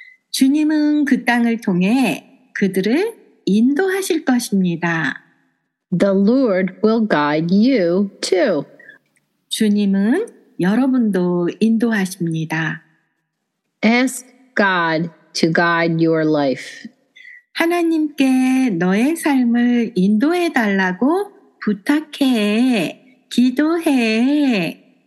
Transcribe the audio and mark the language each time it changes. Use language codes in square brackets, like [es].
[ko] 주님은 그 땅을 통해 그들을 인도하실 것입니다. [en] The Lord will guide you too. [ko] 주님은 여러분도 인도하십니다. [en] Ask God to guide your life. [ko] 하나님께 너의 삶을 인도해 달라고 부탁해, 기도해.